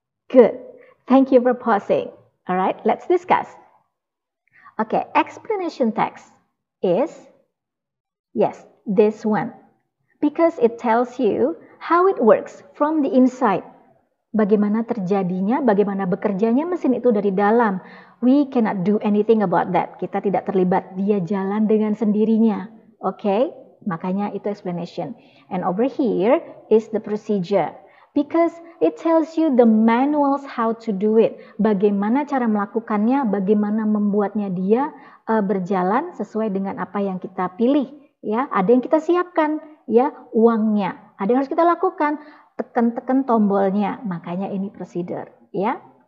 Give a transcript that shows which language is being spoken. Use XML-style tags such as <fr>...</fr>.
<en>Good. Thank you for pausing. All right, let's discuss. Okay, explanation text is, yes, this one. Because it tells you how it works from the inside.</en> <id>Bagaimana terjadinya, bagaimana bekerjanya mesin itu dari dalam.</id> <en>We cannot do anything about that.</en> <id>Kita tidak terlibat, dia jalan dengan sendirinya.</id> <en>Okay,</en> <id>makanya itu</id> <en>explanation. And over here is the procedure. Because it tells you the manuals how to do it.</en> <id>Bagaimana cara melakukannya, bagaimana membuatnya dia berjalan sesuai dengan apa yang kita pilih. Ya, ada yang kita siapkan, ya, uangnya. Ada yang harus kita lakukan, tekan-tekan tombolnya. Makanya ini procedure, ya.</id>